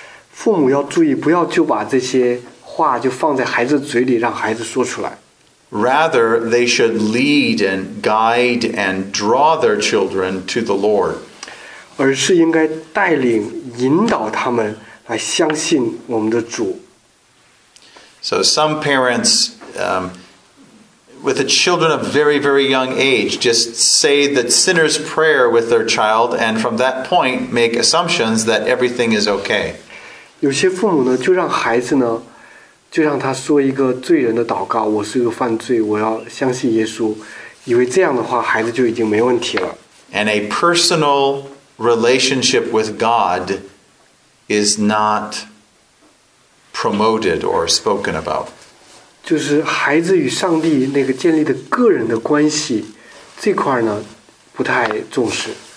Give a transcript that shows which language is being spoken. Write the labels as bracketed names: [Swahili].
[Chinese] 父母要注意，不要就把这些话就放在孩子嘴里，让孩子说出来。 [English] Rather, they should lead and guide and draw their children to the Lord. [Chinese] 而是应该带领引导他们来相信我们的主。 [English] So some parents, with the children of very, very young age, just say the sinner's prayer with their child, and from that point make assumptions that everything is okay. [Chinese] 有些父母呢，就让孩子呢。就让他说一个罪人的祷告，我是一个犯罪，我要相信耶稣，以为这样的话孩子就已经没问题了。 [English] And a personal relationship with God is not promoted or spoken about. [Chinese] 就是孩子与上帝那个建立的个人的关系，这块呢，不太重视。